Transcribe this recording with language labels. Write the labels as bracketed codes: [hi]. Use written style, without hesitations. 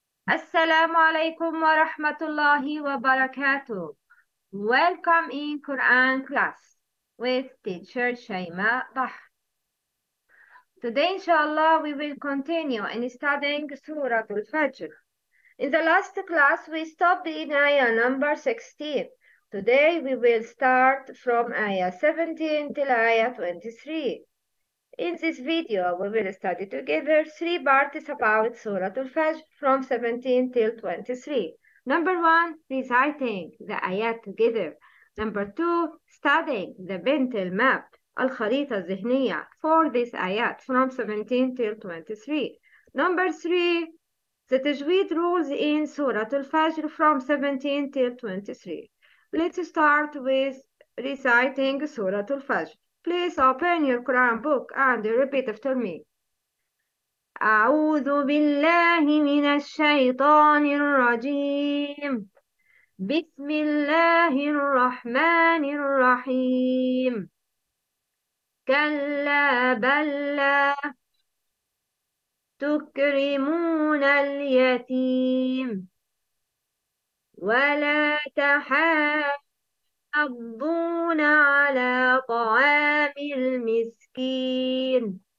[ar] السلام عليكم ورحمة الله وبركاته. [en] Welcome in Quran class with teacher Shaima Dah. Today, inshallah, we will continue in studying Surah Al-Fajr. In the last class, we stopped in ayah number 16. Today, we will start from ayah 17 till ayah 23. In this video, we will study together three parts about Surah Al-Fajr from 17 till 23. Number one, reciting the ayat together. Number two, studying the mental map, al-kharita zihniya, for this ayat from 17 till 23. Number three, the tajweed rules in Surah Al-Fajr from 17 till 23. Let's start with reciting Surah Al-Fajr. Please open your Quran book and repeat after me. [ar] أعوذ بالله من الشيطان الرجيم. بسم الله الرحمن الرحيم. كلا بل لا تكرمون اليتيم ولا تحاسبون تحضون على طعام المسكين.